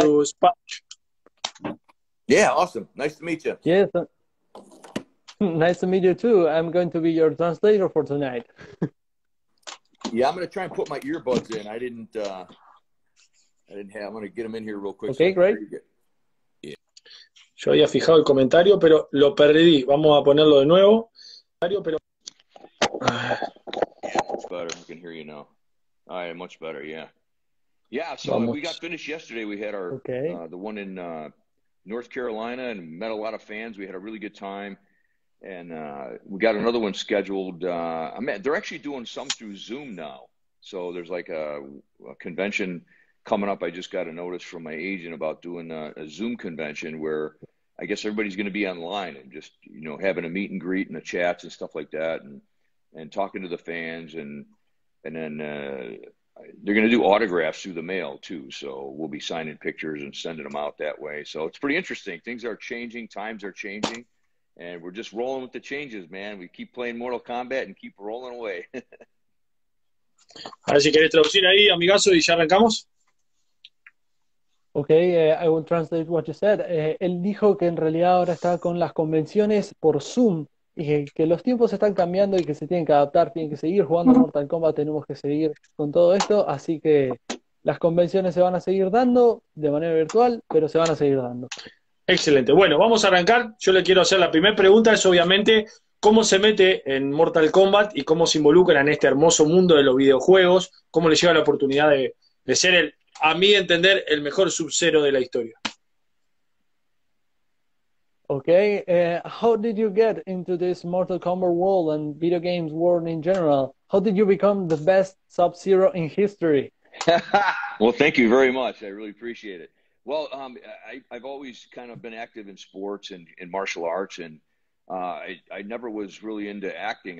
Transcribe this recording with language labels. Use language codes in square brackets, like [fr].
[en] to Spanish. Yeah, awesome. Nice to meet you. Yes, nice to meet you too. I'm going to be your translator for tonight. Yeah, I'm gonna try and put my earbuds in. I didn't have. I'm gonna get them in here real quick so Okay, I can hear great. you good. [es] Yo había fijado el comentario, pero lo perdí. Vamos a ponerlo de nuevo. [en] Much better. I can hear you now. All right, much better. Yeah. So we got finished yesterday. We had our Okay. the one in North Carolina and met a lot of fans. We had a really good time, and we got another one scheduled. I mean, they're actually doing some through Zoom now. So there's like a convention coming up. I just got a notice from my agent about doing a Zoom convention where I guess everybody's going to be online and just, you know, having a meet and greet and the chats and stuff like that, and talking to the fans, and then they're going to do autographs through the mail too. So we'll be signing pictures and sending them out that way. So it's pretty interesting. Things are changing, times are changing, and we're just rolling with the changes, man. We keep playing Mortal Kombat and keep rolling away. [es] Ahora, si quieres traducir ahí, amigazo, y ya arrancamos. [en] Okay, I will translate what you said. [es] Él dijo que en realidad ahora está con las convenciones por Zoom y que los tiempos están cambiando y que se tienen que adaptar, tienen que seguir jugando Mortal Kombat, tenemos que seguir con todo esto. Así que las convenciones se van a seguir dando de manera virtual, pero se van a seguir dando. Excelente. Bueno, vamos a arrancar. Yo le quiero hacer la primera pregunta, es obviamente cómo se mete en Mortal Kombat y cómo se involucra en este hermoso mundo de los videojuegos, cómo le llega la oportunidad de ser el, a mi entender, el mejor Sub-Zero de la historia. [en] Okay, how did you get into this Mortal Kombat world and video games world in general? How did you become the best Sub-Zero in history? Well, thank you very much. I really appreciate it. Well, I've always kind of been active in sports and in martial arts, and I never was really into acting.